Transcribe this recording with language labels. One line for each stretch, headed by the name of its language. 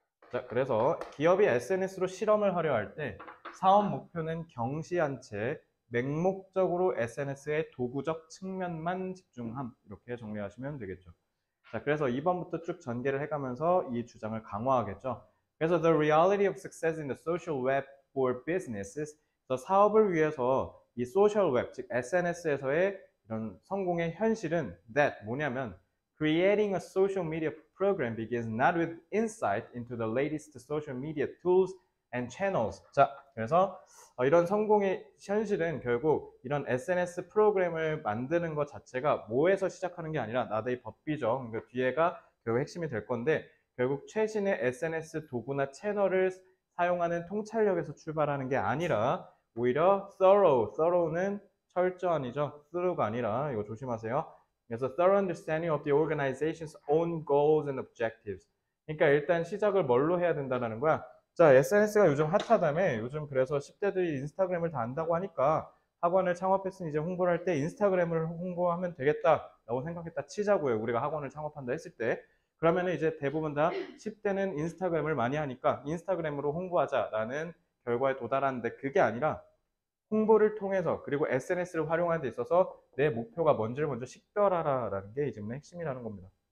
Korean: 자, 그래서 기업이 SNS로 실험을 하려 할때 사업 목표는 경시한 채 맹목적으로 SNS의 도구적 측면만 집중함. 이렇게 정리하시면 되겠죠. 자, 그래서 2번부터 쭉 전개를 해가면서 이 주장을 강화하겠죠. 그래서
English: the reality of success in the social web for businesses.
Korean: 사업을 위해서 이 소셜 웹, 즉 SNS에서의 이런 성공의 현실은
English: that
Korean: 뭐냐면
English: creating a social media program begins not with insight into the latest social media tools and channels.
Korean: 자, 그래서 이런 성공의 현실은 결국 이런 SNS 프로그램을 만드는 것 자체가 뭐에서 시작하는 게 아니라 나대의 법비죠. 그 뒤에가 결국 핵심이 될 건데 결국 최신의 SNS 도구나 채널을 사용하는 통찰력에서 출발하는 게 아니라 오히려 thorough는 철저한이죠. Through가 아니라 이거 조심하세요. 그래서
English: thorough understanding of the organization's own goals and objectives.
Korean: 그러니까 일단 시작을 뭘로 해야 된다라는 거야. 자, SNS가 요즘 핫하다며. 요즘 그래서 10대들이 인스타그램을 다 안다고 하니까 학원을 창업했으니 이제 홍보를 할때 인스타그램을 홍보하면 되겠다라고 생각했다 치자고요. 우리가 학원을 창업한다 했을 때 그러면은 이제 대부분 다 10대는 인스타그램을 많이 하니까 인스타그램으로 홍보하자라는 결과에 도달하는데 그게 아니라 홍보를 통해서 그리고 SNS를 활용하는 데 있어서 내 목표가 뭔지를 먼저 식별하라라는 게 지금 핵심이라는 겁니다.